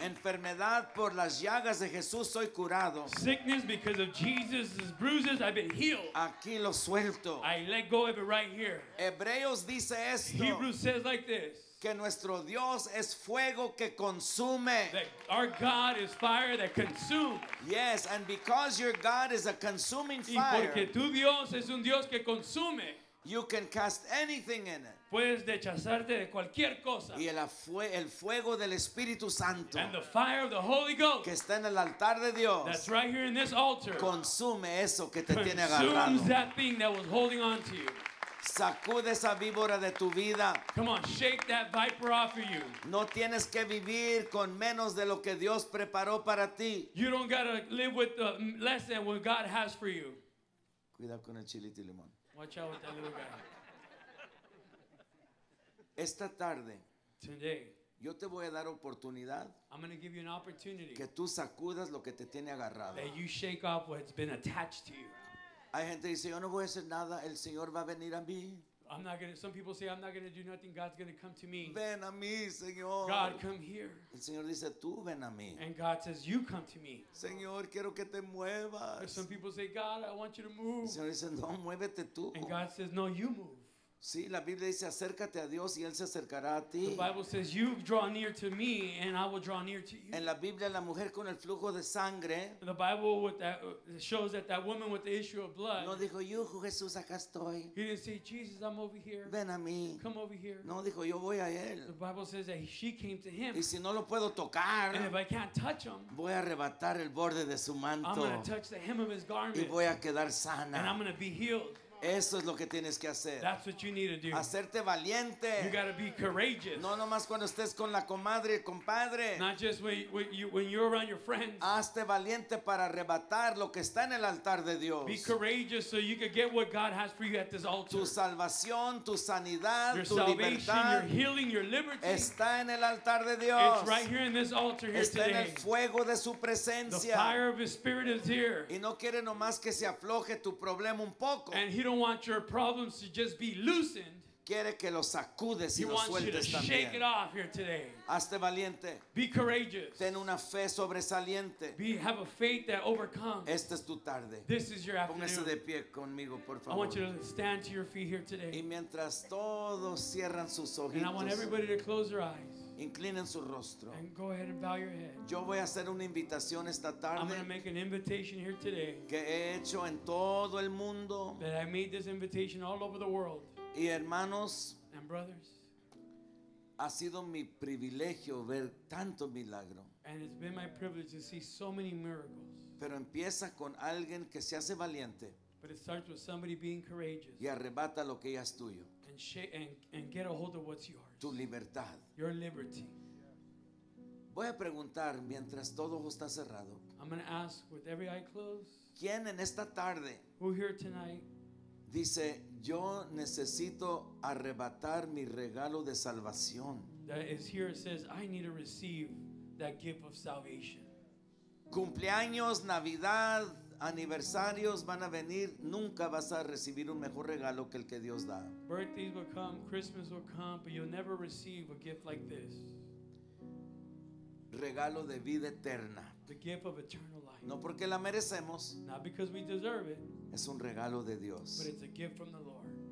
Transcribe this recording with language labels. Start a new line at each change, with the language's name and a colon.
Spanish: Enfermedad por las llagas de Jesús soy curado.
English: Sickness because of Jesus' bruises I've been healed.
Spanish: Aquí lo suelto.
English: I let go of it right here.
Spanish: Hebreos dice esto.
English: Hebrews says like this.
Spanish: Que nuestro Dios es fuego que consume.
English: That our God is fire that consumes. Yes, and because your God is a consuming fire.
Spanish: Y porque tu Dios es un Dios que consume.
English: You can cast anything in it.
Spanish: Puedes rechazarte de cualquier cosa. Y el fuego del Espíritu Santo.
English: And the fire of the Holy Ghost.
Spanish: Que está en el altar de Dios.
English: That's right here in this altar.
Spanish: Consume eso que te tiene agarrado.
English: Consumes that thing that was holding on to you.
Spanish: Sacude esa víbora de tu vida.
English: Come on, shake that viper off of you.
Spanish: No tienes que vivir con menos de lo que Dios preparó para ti.
English: You don't gotta live with the less than what God has for you.
Spanish: Cuida con el chilito y limón.
English: Watch out with that little guy.
Spanish: Esta tarde.
English: Today.
Spanish: Yo te voy a dar oportunidad.
English: I'm gonna give you an opportunity.
Spanish: Que tú sacudas lo que te tiene agarrado.
English: That you shake off what's been attached to you.
Spanish: Hay gente que dice yo no voy a hacer nada, el Señor va a venir a mí.
English: I'm not gonna, some people say I'm not going to do nothing, God's going to come to me.
Spanish: Ven a mí, Señor.
English: God, come here.
Spanish: El Señor dice tú ven a mí.
English: And God says you come to me.
Spanish: Señor, quiero que te muevas.
English: Some people say God, I want you to move.
Spanish: El Señor dice no, muévete tú.
English: And God says no, you move.
Spanish: Sí, la Biblia dice acércate a Dios y él se acercará a ti.
English: The Bible says you draw near to me and I will draw near to you.
Spanish: En la Biblia la mujer con el flujo de sangre.
English: The Bible with that shows that that woman with the issue of blood.
Spanish: No dijo yo Jesús acá estoy.
English: He didn't say Jesus I'm over here.
Spanish: Ven a mí.
English: Come over here.
Spanish: No dijo yo voy a él.
English: The Bible says that she came to him.
Spanish: Y si no lo puedo tocar.
English: And if I can't touch him.
Spanish: Voy a arrebatar el borde de su manto.
English: I'm going to touch the hem of his garment.
Spanish: Y voy a quedar sana.
English: And I'm going to be healed.
Spanish: Eso es lo que tienes que hacer.
English: That's what you need to do.
Spanish: Hacerte valiente.
English: You gotta be courageous.
Spanish: No nomás cuando estés con la comadre, compadre.
English: Not just when you're around your friends.
Spanish: Hazte valiente para arrebatar lo que está en el altar de Dios.
English: Be courageous so you can get what God has for you at this altar.
Spanish: Tu salvación, tu sanidad,
English: your
Spanish: tu libertad.
English: Your salvation, your healing, your liberty.
Spanish: Está en el altar de Dios.
English: It's right here in this altar here
Spanish: está
English: today.
Spanish: Está en el fuego de su presencia.
English: The fire of his spirit is here.
Spanish: Y no quiere nomás que se afloje tu problema un poco.
English: And he don't want your problems to just be loosened.
Spanish: Quiere que los sacudes y
English: he wants
Spanish: sueltes
English: you to
Spanish: también.
English: Shake it off here today.
Spanish: Hazte valiente.
English: Be courageous.
Spanish: Ten una fe sobresaliente.
English: Have a faith that overcomes.
Spanish: Esta es tu tarde.
English: This is your afternoon.
Spanish: Póngase de pie conmigo, por favor.
English: I want you to stand to your feet here today.
Spanish: Y mientras todos cierran sus ojitos,
English: and I want everybody to close their eyes.
Spanish: Inclinen su rostro.
English: And go ahead and bow your head.
Spanish: Yo voy a hacer una invitación esta tarde.
English: I'm going to make an invitation here today.
Spanish: Que he hecho en todo el mundo.
English: That I made this invitation all over the world.
Spanish: Y hermanos,
English: and brothers,
Spanish: ha sido mi privilegio ver tanto milagro.
English: And it's been my privilege to see so many miracles.
Spanish: Pero empieza con alguien que se hace valiente.
English: But it starts with somebody being courageous.
Spanish: Y arrebata lo que ya es tuyo.
English: And get a hold of what's yours.
Spanish: Tu libertad.
English: Your liberty.
Spanish: Voy a preguntar mientras todo está cerrado.
English: I'm going to ask with every eye closed.
Spanish: ¿Quién en esta tarde?
English: Who here tonight?
Spanish: Dice, yo necesito arrebatar mi regalo de salvación.
English: That is here, it says, I need to receive that gift of salvation.
Spanish: Cumpleaños, Navidad, aniversarios van a venir. Nunca vas a recibir un mejor regalo que el que Dios da.
English: Birthdays will come, Christmas will come, but you'll never receive a gift like this.
Spanish: Regalo de vida eterna.
English: The gift of eternal life.
Spanish: No porque la merecemos.
English: Not because we deserve it.
Spanish: Es un regalo de Dios.
English: But it's a gift from the Lord.